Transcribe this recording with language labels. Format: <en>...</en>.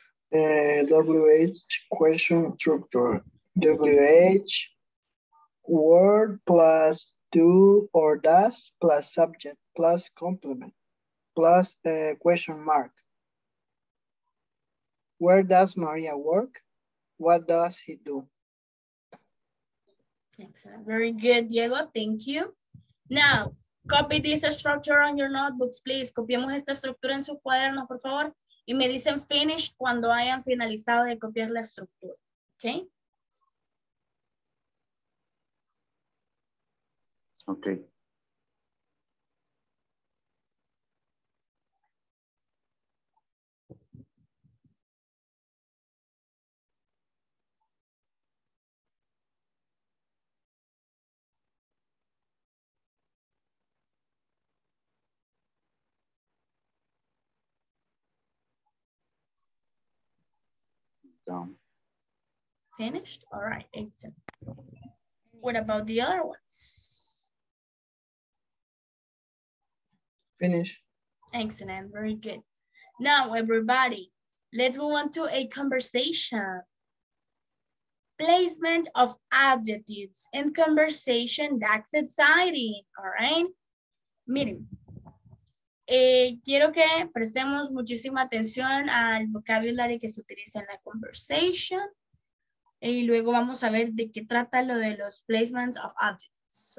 <en>WH question structure. WH word plus do or does plus subject plus complement plus question mark. Where does Maria work? What does he do? Excellent. Very good, Diego. Thank you. Now, copy this structure on your notebooks, please.</en> <es>Copiemos esta estructura en sus cuadernos, por favor. Y me dicen finish cuando hayan finalizado de copiar la estructura.</es> <en>Okay? Okay. Finished? All right, excellent. What about the other ones? Finish. Excellent, very good. Now, everybody, let's move on to a conversation. Placement of adjectives in conversation, that's exciting, all right?</en> <es>Miren, quiero que prestemos muchísima atención al vocabulary que se utiliza en la conversation. Y luego vamos a ver de qué trata lo de los placements of adjectives.</es>